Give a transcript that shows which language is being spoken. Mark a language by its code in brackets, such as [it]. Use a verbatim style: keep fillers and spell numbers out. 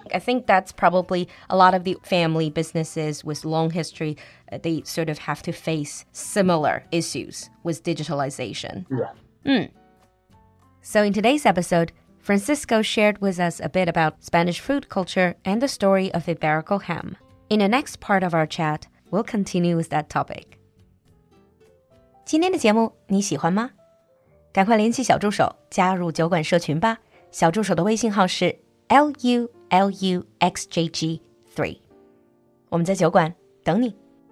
[en] I think that's probably a lot of the family businesses with long history, they sort of have to face similar issues with digitalization. Yeah. Mm. So in today's episode, Francisco shared with us a bit about Spanish food culture and the story of Iberico ham. In the next part of our chat, we'll continue with that topic. [zh] 今天的节目你喜欢吗？赶快联系小助手加入酒馆社群吧。小助手的微信号是 L U L U X J G three。我们在酒馆等你。